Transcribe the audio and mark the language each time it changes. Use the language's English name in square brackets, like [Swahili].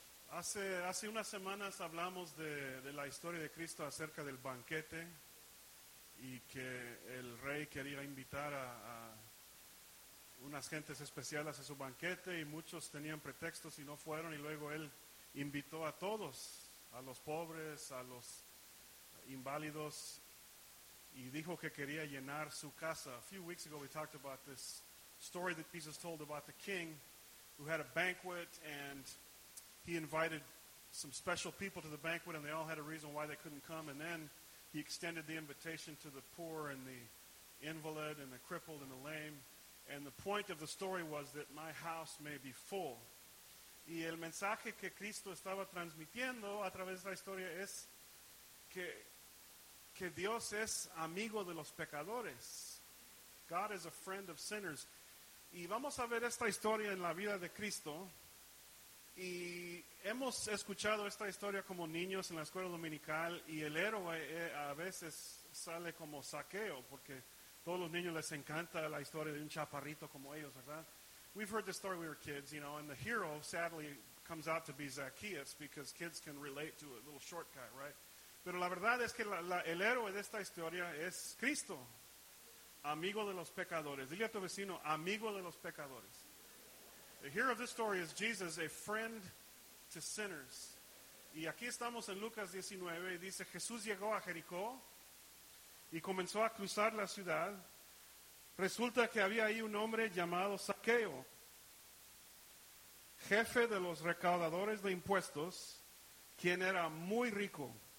[Spanish] Hace unas semanas hablamos de la historia de Cristo acerca del banquete y que el rey quería invitar a unas gentes especiales a su banquete y muchos tenían pretextos y no fueron, y luego él invitó a todos, a los pobres, a los inválidos, y dijo que quería llenar su casa. [English] A few weeks ago we talked about this story that Jesus told about the king who had a banquet, and he invited some special people to the banquet, and they all had a reason why they couldn't come. And then he extended the invitation to the poor and the invalid and the crippled and the lame. And the point of the story was that my house may be full. [Spanish] Y el mensaje que Cristo estaba transmitiendo a través de la historia es que Dios es amigo de los pecadores. [English] God is a friend of sinners. [Spanish] Y vamos a ver esta historia en la vida de Cristo. Y hemos escuchado esta historia como niños en la escuela dominical, y el héroe a veces sale como Zaqueo, porque todos los niños les encanta la historia de un chaparrito como ellos, ¿verdad? [English] We've heard the story when we were kids, you know, and the hero, sadly, comes out to be Zacchaeus, because kids can relate to a little short guy, right? [Spanish] Pero la verdad es que el héroe de esta historia es Cristo, amigo de los pecadores. Dile a tu vecino, amigo de los pecadores. [English] The hero of this story is Jesus, a friend to sinners. [Spanish] Y aquí estamos en Lucas 19, y dice, Jesús llegó a Jericó y comenzó a cruzar la ciudad. Resulta que había ahí un hombre llamado Zaqueo, jefe de los recaudadores de impuestos, quien era muy rico.